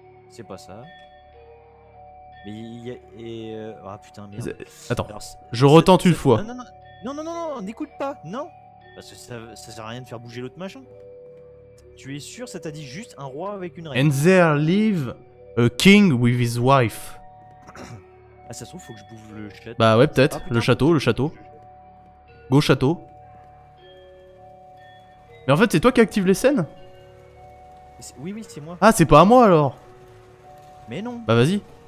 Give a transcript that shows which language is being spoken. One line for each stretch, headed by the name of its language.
French: C'est pas ça. Mais il y a. Ah putain, merde. Attends, alors, je retente une fois. Non, n'écoute pas, non! Parce que ça sert à rien de faire bouger l'autre machin. Tu es sûr, ça t'a dit juste un roi avec une reine.
English: And there live a king with his wife.
French: Ah, ça se trouve, faut que je bouge le château. Bah ouais, peut-être. Ah, le château. Go château. Mais en fait, c'est toi qui active les scènes? Oui, c'est moi. Ah, c'est pas à moi alors? Mais non. Bah vas-y.